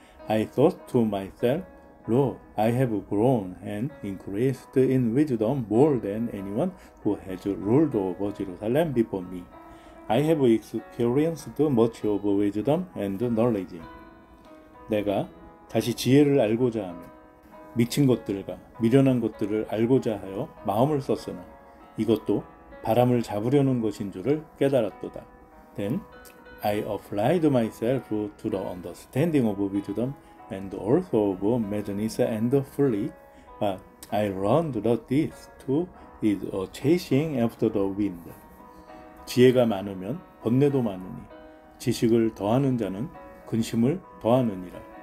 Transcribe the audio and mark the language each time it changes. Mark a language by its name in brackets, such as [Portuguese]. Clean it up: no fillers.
[English] I thought to myself, Lo, I have grown and increased in wisdom more than anyone who has ruled over Jerusalem before me. I have experienced much of wisdom and knowledge. [Korean] 내가 다시 지혜를 알고자 하며 미친 것들과 미련한 것들을 알고자 하여 마음을 썼으나 이것도 바람을 잡으려는 것인 줄을 깨달았도다. [English] Then I applied myself to the understanding of wisdom and also of madness and folly, but I learned that this too is a chasing after the wind. [Korean] 지혜가 많으면 번뇌도 많으니 지식을 더하는 자는 근심을 더하느니라.